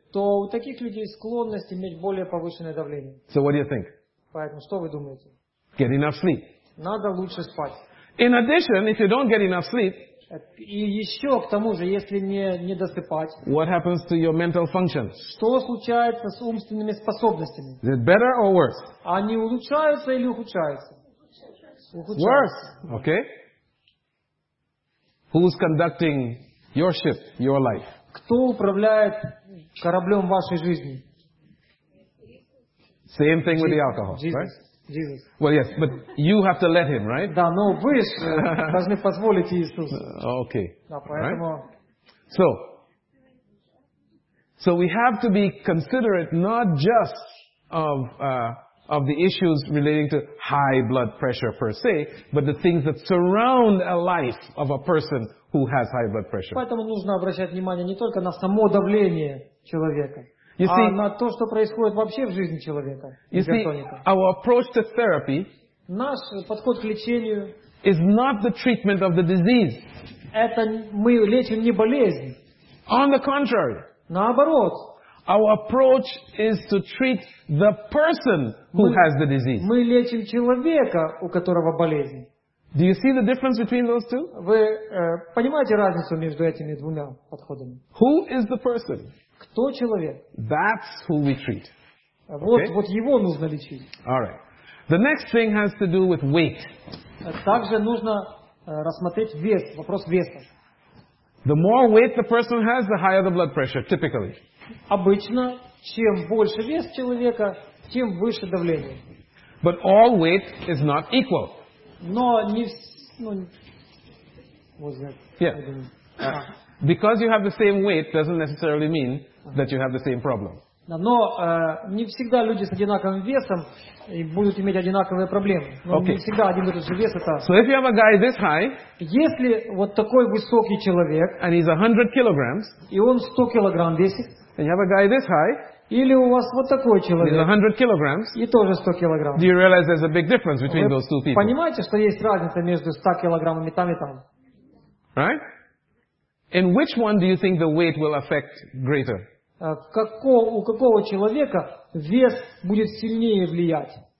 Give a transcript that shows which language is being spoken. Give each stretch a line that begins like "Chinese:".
Russian: То у таких людей склонность иметь более повышенное давление.
English: So what do you think?
Russian: Поэтому что вы думаете?
English: Get enough sleep.
Russian: Надо лучше спать.
English: In addition, if you don't get enough sleep,
Russian: и еще к тому же, если не досыпать,
English: what happens to your mental function?
Russian: Что случается с умственными способностями?
English: Is it better or worse?
Russian: Они улучшаются или ухудшаются? Ухудшаются.
English: Worse. Okay. Who's conducting your ship, your life?
Russian: Кто управляет кораблем вашей жизни?
English: Same thing with the alcohol, Jesus. Right? Jesus. Well, yes, but you have to let him, right?
Russian: Да, но вы должны позволить Иисусу.
English: Okay.
Russian: Да, поэтому.
English: So we have to be considerate not just of the issues relating to high blood pressure per se, but the things that surround a life of a person who has high blood pressure.
Russian: Поэтому нужно обращать внимание не только на само давление человека.
English: You see,
Russian: а на то, что происходит вообще в жизни человека.
English: You see, our approach to therapy,
Russian: наш подход к лечению,
English: is not the treatment of the disease.
Russian: Это мы лечим не болезнь.
English: On the contrary,
Russian: наоборот,
English: our approach is to treat the person who has the disease.
Russian: Мы лечим человека, у которого болезнь.
English: Do you see the difference between those two?
Russian: Вы понимаете разницу между этими двумя подходами?
English: Who is the person?
Russian: Кто человек?
English: That's who we treat.
Russian: Okay? Вот его нужно лечить.
English: All right. The next thing has to do with weight.
Russian: Также нужно рассмотреть вес, вопрос веса.
English: The more weight the person has, the higher the blood pressure, typically.
Russian: Обычно, чем больше вес человека, тем выше давление.
English: But all weight is not equal.
Russian: Но не ну, вот я, yeah. Я думаю,
English: because you have the same weight doesn't necessarily mean that you have the same problem.
Russian: Но не всегда люди с одинаковым весом будут иметь одинаковые проблемы. Но okay. Не всегда один и тот же вес это.
English: So if you have a guy this high,
Russian: если вот такой высокий человек,
English: and he's 100 kilograms,
Russian: и он 100 килограмм весит,
English: and you have a guy this high,
Russian: или у вас вот такой человек,
English: he's 100 kilograms,
Russian: и тоже 100 килограмм.
English: Do you realize there's a big difference between those two people?
Russian: Понимаете, что есть разница между 100 килограммами там и там?
English: Right? In which one do you think the weight will affect greater?
Russian: У какого человека вес будет сильнее влиять?